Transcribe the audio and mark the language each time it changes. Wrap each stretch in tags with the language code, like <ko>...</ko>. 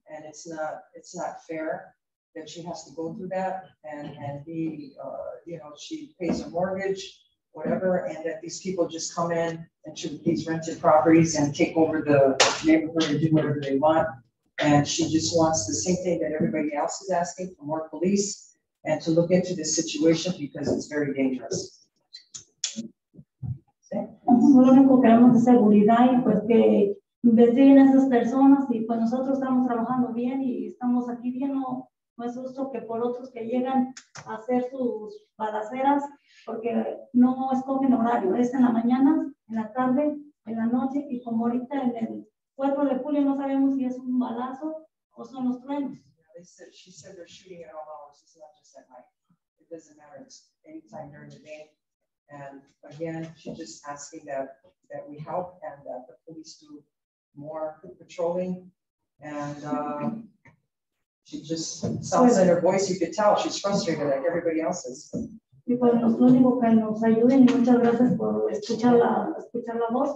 <en>And it's not fair that she has to go through that and be, you know, she pays a mortgage, whatever, and that these people just come in and shoot these rented properties and take over the neighborhood and do whatever they want. And she just wants the same thing that everybody else is asking, for more police and to look into this situation because it's very dangerous.</en> <es>Lo único que queremos es seguridad y pues que investiguen esas personas y pues nosotros estamos trabajando bien y estamos aquí bien, no es justo que por otros que llegan a hacer sus balaceras porque no escogen horario, es en la mañana, en la tarde, en la noche y como ahorita en el 4 de julio no sabemos si es un balazo o son los truenos.</es> <en>Yeah, she said they're shooting at all hours. It's not just at night. It doesn't matter. It's anytime during the day. And again, she's just asking that we help and that the police do more patrolling. And she just sounds in her voice. You could tell she's frustrated like everybody else is.</en> <es>Y pues lo único que nos ayuden y muchas gracias por escuchar la voz.</es>